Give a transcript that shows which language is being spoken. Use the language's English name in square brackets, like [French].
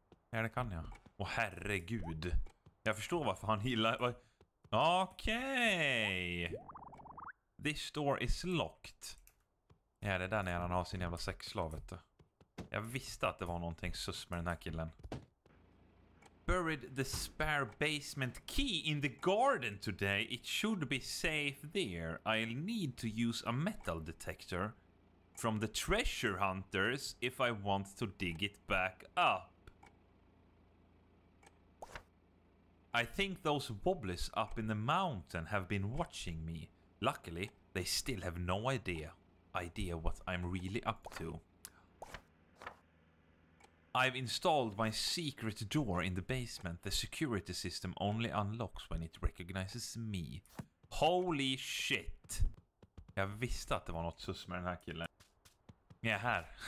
[Swedish] Ja, det kan jag. Åh, herregud. Jag förstår varför han gillar... [English] Okej. Okay. This door is locked. [Swedish] Ja, det där när han har sin jävla sexslav, vet du. Jag visste att det var någonting sus med den här killen. [English] Buried the spare basement key in the garden today. It should be safe there. I'll need to use a metal detector from the treasure hunters if I want to dig it back up. I think those wobblies up in the mountain have been watching me. Luckily, they still have no idea what I'm really up to. I've installed my secret door in the basement. The security system only unlocks when it recognizes me. Holy shit! [Swedish] Jag visste att det var något sus med den här killen. Ni är här.